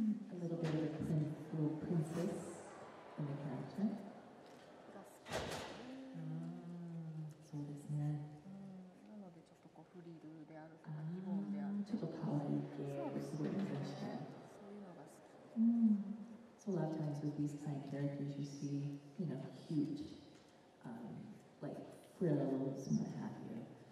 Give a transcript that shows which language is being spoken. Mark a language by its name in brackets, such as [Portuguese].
[English] a little bit of a princess in the character. [Japanese] が好き。そうですね。なのでちょっとこうフリルであるとかリボンであるとか、ちょっと可愛い系、すごい可愛い。そういうのが好き。 [English] So a lot of times with these kind of characters, you see, you know, huge, like frills and what have you.